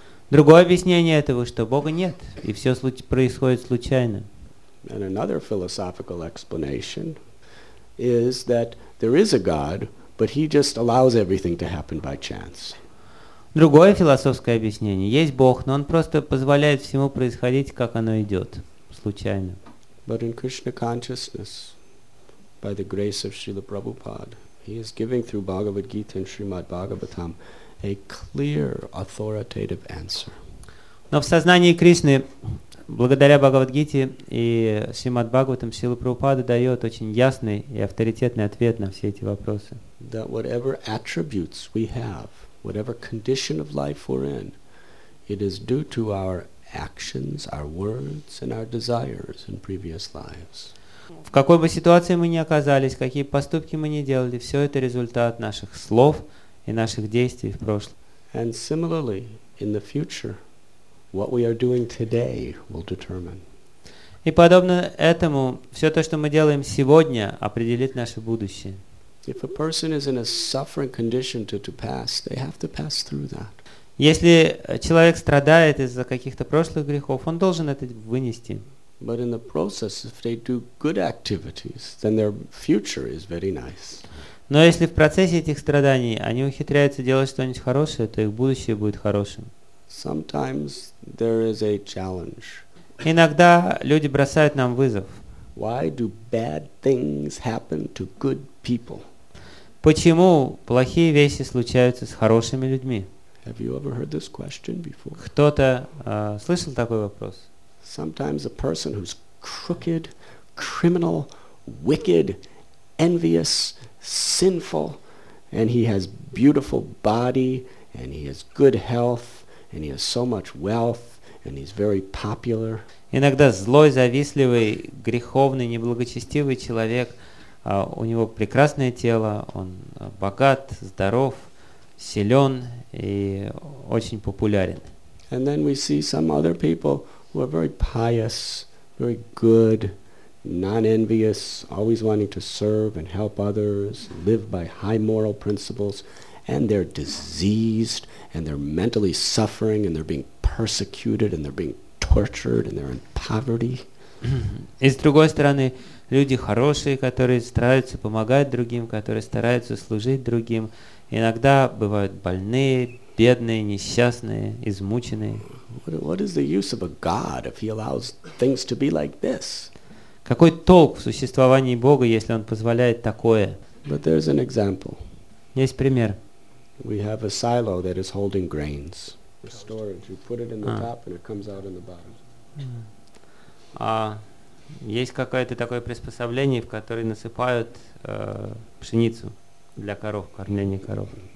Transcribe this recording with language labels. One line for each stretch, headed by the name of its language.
Russian: Другое объяснение этого, что Бога нет, и все происходит случайно.
English: And another philosophical explanation is that there is a God, but He just allows everything to happen by chance.
Russian: Другое философское объяснение. Есть Бог, но Он просто позволяет всему происходить, как оно идет, случайно.
English: But in Krishna consciousness, by the grace of Srila Prabhupada, He is giving through Bhagavad Gita and Srimad Bhagavatam a clear authoritative answer.
Russian: Но в сознании Кришны, благодаря Бхагавадгите и Шримад Бхагаватам, Шрила Прабхупада дает очень ясный и авторитетный ответ на все эти вопросы.
English: That whatever attributes we have, whatever condition of life we're in, it is due to our actions, our words, and our desires in previous lives.
Russian: В какой бы ситуации мы ни оказались, какие поступки мы ни делали, все это результат наших слов и наших действий в прошлом.
English: And similarly, in the future, what we are doing today will determine.
Russian: И подобно этому, все то, что мы делаем сегодня, определит наше будущее.
English: If a person is in a suffering condition to pass, they have to pass through that.
Russian: Если человек страдает из-за каких-то прошлых грехов, он должен это вынести.
English: But in the process, if they do good activities, then their future is very nice.
Russian: Но если в процессе этих страданий они ухитряются делать что-нибудь хорошее, то их будущее будет хорошим.
English: Sometimes there is a challenge.
Russian: Иногда люди бросают нам вызов.
English: Why do bad things happen to good people?
Russian: Почему плохие вещи случаются с хорошими людьми?
English: Have you ever heard this question before?
Russian: Кто-то слышал такой вопрос?
English: Sometimes a person who's crooked, criminal, wicked, envious, sinful, and he has beautiful body, and he has good health, and he has so much wealth, and he's very popular.
Russian: Иногда злой, завистливый, греховный, неблагочестивый человек, у него прекрасное тело, он богат, здоров, силен и очень популярен.
English: And then we see some other people who are very pious, very good, non-envious, always wanting to serve and help others, live by high moral principles, and they're diseased, and they're mentally suffering, and they're being persecuted, and they're being tortured, and they're in poverty.
Russian: И с другой стороны, люди хорошие, которые стараются помогать другим, которые стараются служить другим, иногда бывают больные, бедные, несчастные, измученные.
English: What is the use of a God if he allows things to be like this?
Russian: Какой толк в существовании Бога, если он позволяет такое?
English: But there's an example.
Russian: Есть пример.
English: We have a silo that is holding grains. For storage. You put it in the top and it comes out in the bottom.
Russian: А есть какое-то такое приспособление, в которое насыпают пшеницу для коров, кормления коров.